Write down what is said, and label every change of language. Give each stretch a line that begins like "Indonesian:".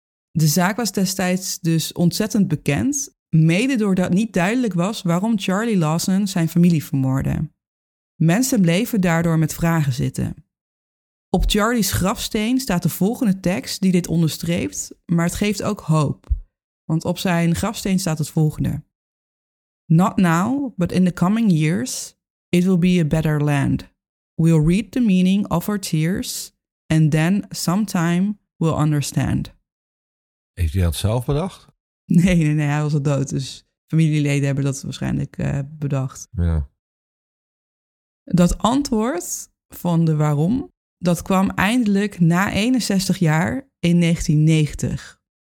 Dutch: De zaak was destijds dus ontzettend bekend. Mede doordat niet duidelijk was waarom Charlie Lawson zijn familie vermoordde. Mensen bleven daardoor met vragen zitten. Op Charlie's grafsteen staat de volgende tekst die dit onderstreept, maar het geeft ook hoop. Want op zijn grafsteen staat het volgende.
English: Not now, but in the coming years, it will be a better land. We'll read the meaning of our tears, and then sometime we'll understand.
Dutch: Heeft hij dat zelf bedacht? Nee, hij was al dood. Dus familieleden hebben dat waarschijnlijk bedacht. Ja. Dat antwoord van de waarom, dat kwam eindelijk na 61 jaar in 1990.